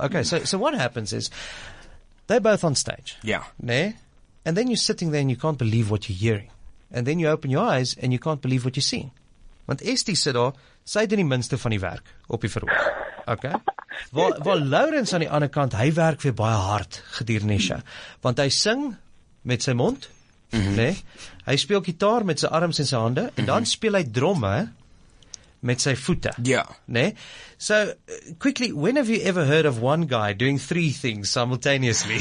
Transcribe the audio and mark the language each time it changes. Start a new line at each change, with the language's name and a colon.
English: Okay, so what happens is, they're both on stage. Yeah.
Afrikaans: Nee?
English: And then you're sitting there and you can't believe what you're hearing. And then you open your eyes and you can't believe what you're seeing.
Afrikaans: Want Estie sit daar, sy doen die minste van die werk op die verhoog. Okay? Waar Laurens aan die ander kant, hy werk weer baie hard gedurende die show. Want hy sing met sy mond, nee? Hy speel gitaar met sy arms en sy hande, en dan speel hy dromme met sy voete. Ja. Nee?
English: So, quickly, when have you ever heard of one guy doing three things simultaneously?